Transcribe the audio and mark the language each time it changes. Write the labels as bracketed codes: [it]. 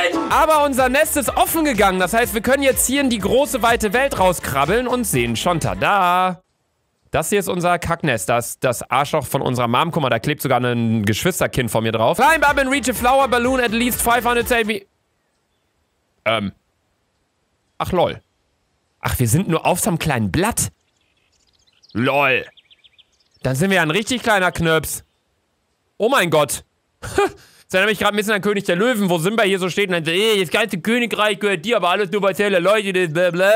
[de] Aber unser Nest ist offen gegangen. Das heißt, wir können jetzt hier in die große, weite Welt rauskrabbeln und sehen schon, tada. Das hier ist unser Kacknest. Das Arschloch von unserer Mom. Guck mal, da klebt sogar ein Geschwisterkind von mir drauf. [en] Climb up and reach a flower balloon at least 500 cm. [de] Ach, lol. Ach, wir sind nur auf so einem kleinen Blatt? Lol. Dann sind wir ja ein richtig kleiner Knirps. Oh mein Gott. Das erinnert mich gerade ein bisschen an König der Löwen, wo Simba hier so steht und dann sagt, ey, das ganze Königreich gehört dir, aber alles nur bei zählen Leute, blablabla.